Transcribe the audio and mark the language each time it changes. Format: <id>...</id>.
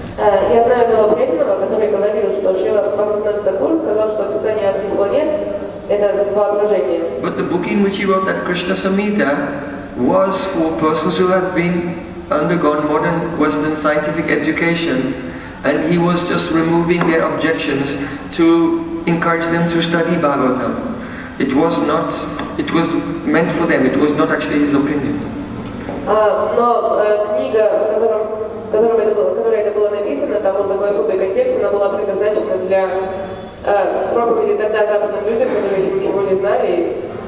<ru>Я знаю одного преданного, который говорит, который говорил, что Шрила Прабхупада Тхакур сказал, что описание адских планет это воображение.</ru> <en>But the book in which he wrote that Krishna Samhita was for persons who had been undergone modern Western scientific education, and he was just removing their objections to encourage them to study Bhagavatam. It was not, it was meant for them, it was not actually his opinion.</en> <ru>Но книга, в которой это было написано, там был такой особый контекст, она была предназначена для проповеди тогда западным людям, которые еще ничего не знали.</ru>